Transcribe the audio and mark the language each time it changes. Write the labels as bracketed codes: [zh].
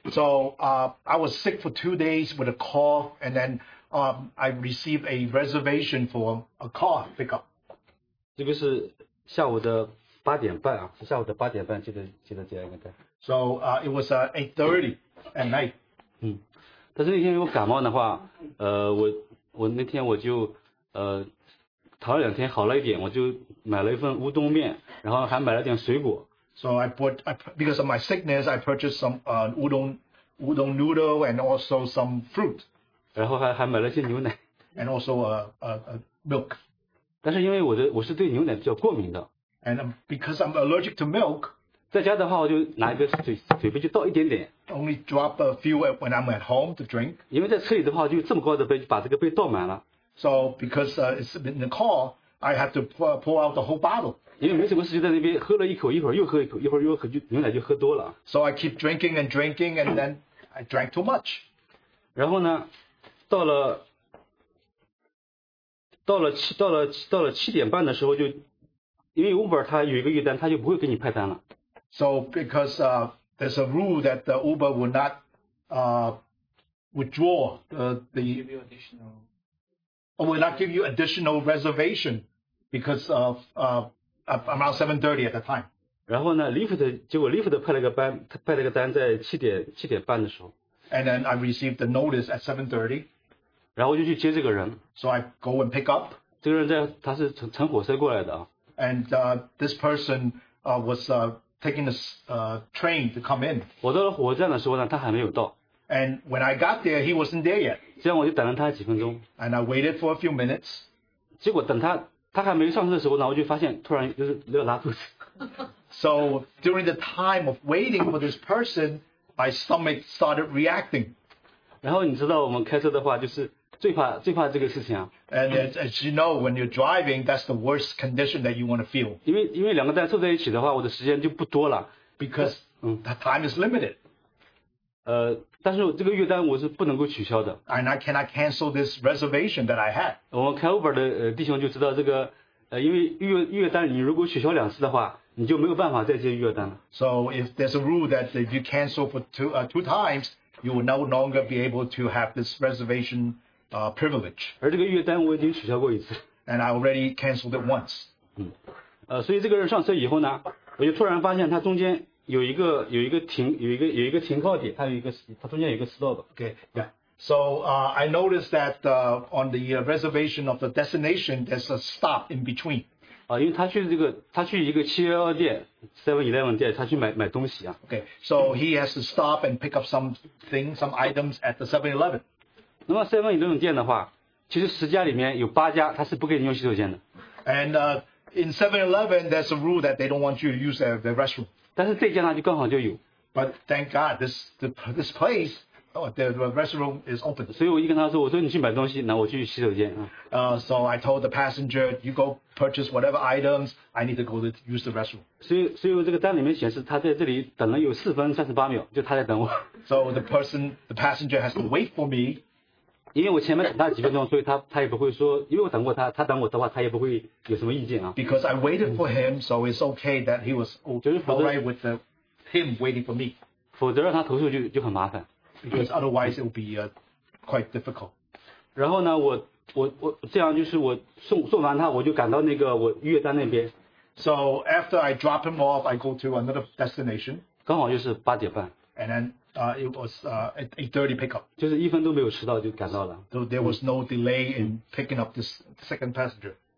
[en] So, I was sick for 2 days with a car, and then, I received a reservation for a car pickup. [zh] 这个是下午的八点半啊，是下午的八点半接的这样一个单。 [en] So, it was at 8:30. At night. [zh] 但是那天我感冒的话，我那天我就逃了两天好了一点，我就买了一份乌冬面，然后还买了点水果。 [en] So I bought, because of my sickness, I purchased some udon noodle and also some fruit. [zh] 然后还买了些牛奶。 [en] And also a milk. [zh] 但是因为我是对牛奶比较过敏的。 [en] And because I'm allergic to milk. [zh] 在家的话，我就拿一个水杯就倒一点点。 [en] Only drop a few when I'm at home to drink. [zh] 因为在车里的话，就这么高的杯，就把这个杯倒满了。 [en] So because it's in the car, I have to pour out the whole bottle. [zh] 因为没什么事，就在那边喝了一口，一会儿又喝一口，一会儿又喝，就牛奶就喝多了。 [en] So I keep drinking and drinking, and then I drank too much. [zh] 然后呢，到了七点半的时候，就因为 Uber 它有一个预单，它就不会给你派单了。 [en] So because there's a rule that the Uber will not withdraw the or will not give you additional reservation because of around 7:30 at the time. [zh] 然后呢 ，Lyft 结果 Lyft 派了个班，他派了个单在七点半的时候。 [en] And then I received the notice at 7:30. [zh] 然后就去接这个人。 [en] So I go and pick up. [zh] 这个人在他是乘火车过来的啊。 [en] And this person was taking the train to come in. [zh] 我到了火车站的时候呢，他还没有到。 [en] And when I got there, he wasn't there yet. [zh] 这样我就等了他几分钟。 [en] And I waited for a few minutes. [zh] 结果等他还没上车的时候呢，我就发现突然就是拉肚子。 [en] So during the time of waiting for this person, my stomach started reacting. [zh] 然后你知道我们开车的话，就是最怕这个事情啊。 [en] And as you know, when you're driving, that's the worst condition that you want to feel. [zh] 因为两个单凑在一起的话，我的时间就不多了。 [en] Because the time is limited. [zh] 但是这个月单我是不能够取消的。 [en] And I cannot cancel this reservation that I had. [zh] 我们开 Uber 的弟兄就知道这个，因为月单你如果取消两次的话，你就没有办法再接月单了。 [en] So if there's a rule that if you cancel for two times, you will no longer be able to have this reservation. Privilege. [zh] 而这个月单我已经取消过一次。 [en] And I already canceled it once. [zh] 所以这个人上车以后呢，我就突然发现他中间有一个停靠点，他中间有一个 stop. [en] Okay. Yeah. So I noticed that on the reservation of the destination, there's a stop in between. [zh] 因为他去一个711店 ，7-Eleven 店，他去买东西啊。 [en] Okay. So he has to stop and pick up some items at the 7-Eleven. [zh] 那么 Seven Eleven 店的话，其实十家里面有八家它是不给你用洗手间的。 [en] And in 7-Eleven, there's a rule that they don't want you to use the restroom. [zh] 但是这家呢就刚好就有。 [en] But thank God, this place, the restroom is open. [zh] 所以我一跟他说，我说你去买东西，那我去洗手间啊。 [en] So I told the passenger, you go purchase whatever items. I need to go to use the restroom. [zh] 所以这个单里面显示他在这里等了有4分38秒，就他在等我。 [en] So the passenger has to wait for me. [zh] 因为我前面等他几分钟，所以他也不会说，因为我等过他，他等我的话，他也不会有什么意见啊。 [en] Because I waited for him, so it's okay that he was alright with him waiting for me. [zh] 否则让他投诉就很麻烦。 [en] Because otherwise it would be quite difficult. [zh] 然后呢，我这样就是我送完他，我就赶到那个我约旦那边。 [en] So after I drop him off, I go to another destination. [zh] 刚好就是八点半。 [en] And then it was a 8:30 pickup. [zh] 就是一分都没有迟到就赶到了。 [en] So there was no delay in picking up this second passenger.